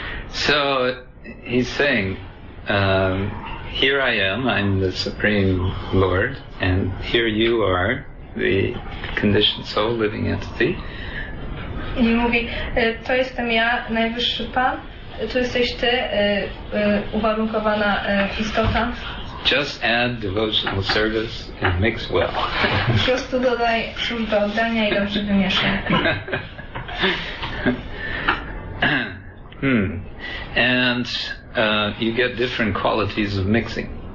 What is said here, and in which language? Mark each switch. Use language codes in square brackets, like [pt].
[en] So he's saying, here I am, I'm the Supreme Lord, and here you are, the conditioned soul, living entity. [pl] I mówi, to jestem ja, najwyższy Pan, tu jesteś ty, uwarunkowana istota. [en] Just add devotional service and mix well. [pl] Po prostu dodaj szum do oddania i dobrze wymieszaj. [en] And you get different qualities of mixing.